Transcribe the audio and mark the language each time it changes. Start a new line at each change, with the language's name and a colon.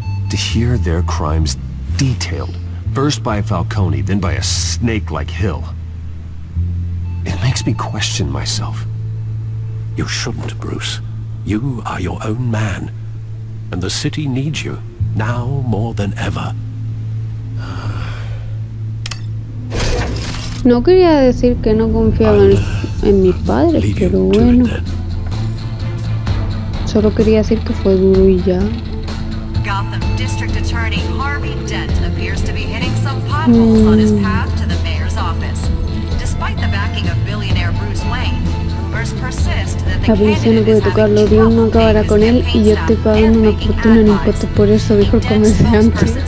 English: To hear their crimes detailed, first by Falcone, then by a snake like Hill. It makes me question myself. You shouldn't, Bruce. You are your own man. And the city needs you, now more than ever.
Spanish: No quería decir que no confiaba en mis padres, pero bueno. Solo quería decir que fue duro y ya.
English: Gotham District Attorney Harvey Dent appears to be hitting some potholes on his path to the mayor's office. Despite the backing of billionaire Bruce Wayne, rumors persist that the candidate is having trouble paying his campaign staff.
Spanish: No acabará con él y yo estoy pagando una fortuna en impuestos por eso, dijo el comerciante.